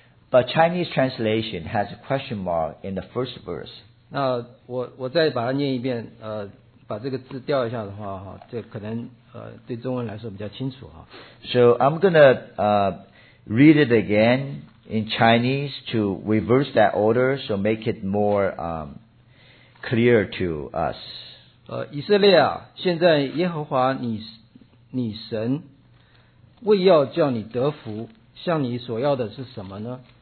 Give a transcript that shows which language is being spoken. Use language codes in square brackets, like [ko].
[en] But Chinese translation has a question mark in the first verse. [zh] 那我再把它念一遍，把这个字调一下的话哈，这可能对中文来说比较清楚哈。 [en] So I'm gonna read it again in Chinese to reverse that order, so make it more clear to us. [zh] 以色列啊，现在耶和华你神为要叫你得福，向你所要的是什么呢？